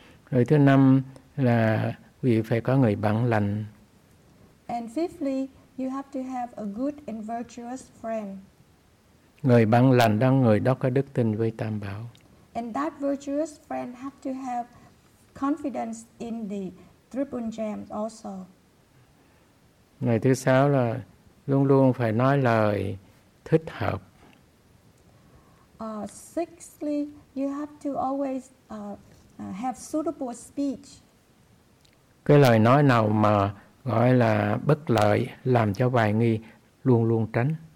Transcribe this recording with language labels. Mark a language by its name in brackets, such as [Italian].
[Vietnamese] Rồi thứ năm là quý vị phải có người bạn lành. [English] And fifthly, you have to have a good and virtuous friend. [Vietnamese] Người bạn lành đó người đó có đức tin với Tam Bảo. [English] And that virtuous friend have to have confidence in the triple gem also. [Vietnamese] Ngày thứ sáu là luôn luôn phải nói lời thích hợp. [English] Sixthly, you have to always have suitable speech. [Vietnamese] Cái lời nói nào mà gọi là bất lợi, làm cho hoài nghi, luôn luôn tránh.